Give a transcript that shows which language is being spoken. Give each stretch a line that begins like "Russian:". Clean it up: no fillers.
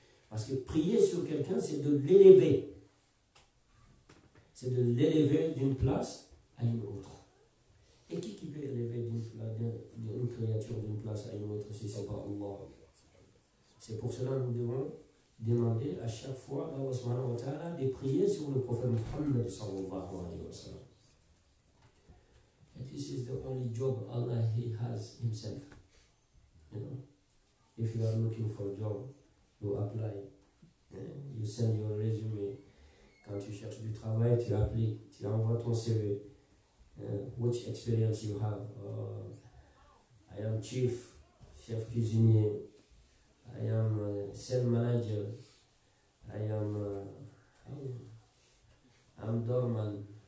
French: Parce que prier sur quelqu'un, c'est de l'élever. C'est de l'élever d'une place à une autre. Et qui peut élever d'une créature d'une place à une autre si ce n'est pas Allah? C'est pour cela que nous devons demander à chaque fois à Allah
Arabic: subhanahu wa ta'ala
French: de prier sur le Prophète Muhammad
Arabic: sallallahu alayhi wa sallam.
English: And this is the only job Allah He has Himself. You know, if you are looking for a job, you apply. You send your resume.
French: Quand tu cherches du travail, tu appliques, tu envoies ton CV.
English: Which experience you have? I am chef cuisinier. I am sales manager. I am I'm doorman.